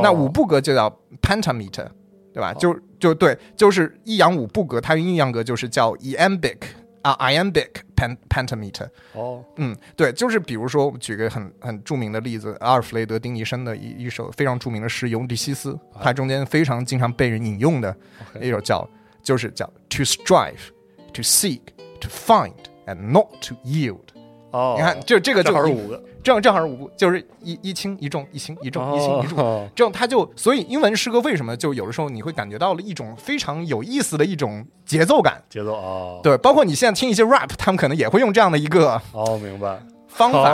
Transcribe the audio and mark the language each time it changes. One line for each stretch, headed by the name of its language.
Chinese: 那五步格就叫 pentameter 对吧、哦、就对，就是抑扬五步格，它用抑扬格就是叫 iambic、iambic pentameter、哦、嗯，对，就是比如说举个很著名的例子，阿尔弗雷德丁尼生的一首非常著名的诗尤迪西斯，它中间非常经常被人引用的一首叫、 okay. 就是叫
English: to strive to seekTo find and not to yield、哦、
Chinese: 你看这个就正好是五个，正好是五个，就是一轻一重一轻一重、哦、一轻一重，这样它就，所以英文诗歌为什么就有的时候你会感觉到了一种非常有意思的一种节奏感，节奏、哦、对，包括你现在听一些 rap 他们可能也会用这样的一个哦，明白方法、